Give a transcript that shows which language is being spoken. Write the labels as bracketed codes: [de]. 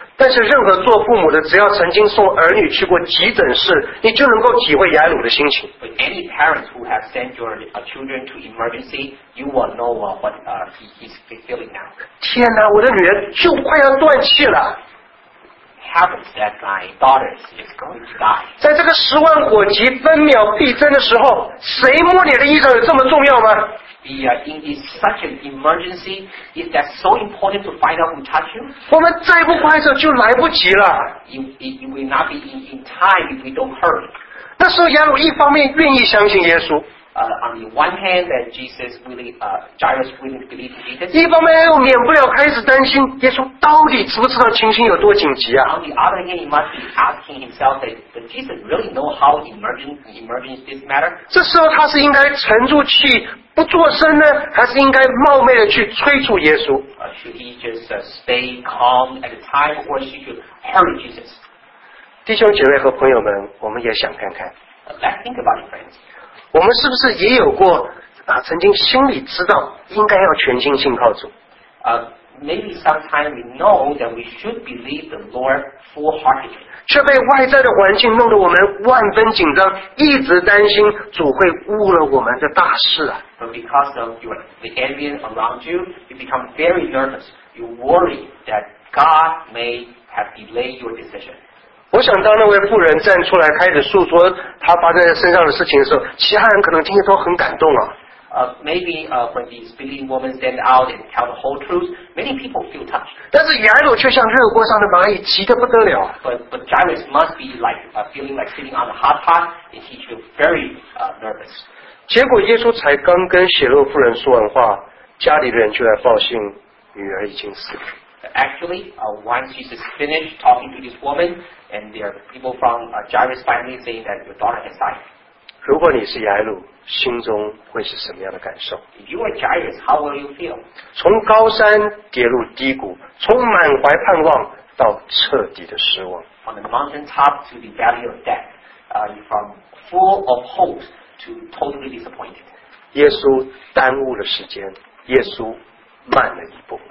[zh] 但是任何做父母的，只要曾经送儿女去过急诊室，你就能够体会雅鲁的心情。 [en] But any parents who have sent your children to emergency, you will know what he's feeling now. [zh] 天哪，我的女儿就快要断气了。 [en] Heavens, that my daughter is going to die. [zh] 在这个十万火急、分秒必争的时候，谁摸你的衣裳有这么重要吗？ [en] In this such an emergency, is that so important to find out who touched you? [zh] 我们再不快走就来不及了。 [en] It will not be in time if we don't hurry. [zh] 那时候雅鲁一方面愿意相信耶稣。 [en] on the one hand that Jesus really, Jairus willing to believe in Jesus. [zh] 一方面又免不了开始担心耶稣到底知不知道情形有多紧急啊。 [en] On the other hand, he must be asking himself that does Jesus really know how emergent this matter? [zh] 这时候他是应该沉住气不作声呢，还是应该冒昧的去催促耶稣？ [en] Should he just stay calm at the time, or should he hurry Jesus? [zh] 弟兄姐妹和朋友们，我们也想看看。 [en] Let's think about it, friends. [zh] 我们是不是也有过曾经心里知道应该要全心信靠主？ [en] Maybe sometimes we know that we should believe the Lord full heartedly. [zh] 却被外在的环境弄得我们万分紧张，一直担心主会误了我们的大事啊。 [en] But because of the ambient around you, you become very nervous. You worry that God may have delayed your decision. [zh] 我想当那位妇人站出来开始诉说她发生在身上的事情的时候，其他人可能听得都很感动啊。 [en] Maybe when these believing women stand out and tell the whole truth, many people feel touched. [zh] 但是雅鲁却像热锅上的蚂蚁，急得不得了。 [en] But Jairus must be like feeling like sitting on a hot pot, and he feels very nervous. [zh] 结果耶稣才刚跟血肉妇人说完话，家里的人就来报信，女儿已经死了。 [en] Actually, once Jesus finished talking to this woman, and there are people from Jairus family saying that your daughter has died. [zh] 如果你是雅鲁。心中会是什么样的感受？ [en] If you are Jairus, how will you feel? [zh] 从高山跌入低谷，从满怀盼望到彻底的失望。 [en] From the mountain top to the valley of death, from full of hope to totally disappointed. [zh] 耶稣耽误了时间，耶稣慢了一步。